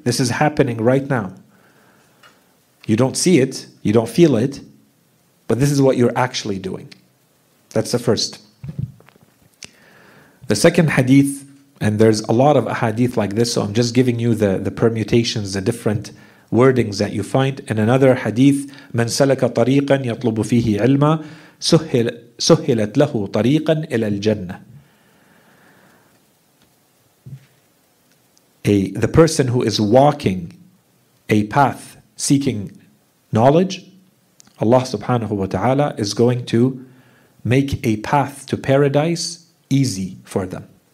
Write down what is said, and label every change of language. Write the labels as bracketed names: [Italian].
[English] This is happening right now. You don't see it, you don't feel it, but this is what you're actually doing. That's the first. The second hadith, and there's a lot of ahadith like this, so I'm just giving you the permutations, the different wordings that you find. In another hadith, [Arabic] من سلك طريقا يطلب فيه علما سهلت له طريقا إلى الجنة. [English] The person who is walking a path seeking knowledge, Allah subhanahu wa ta'ala is going to make a path to paradise easy for them.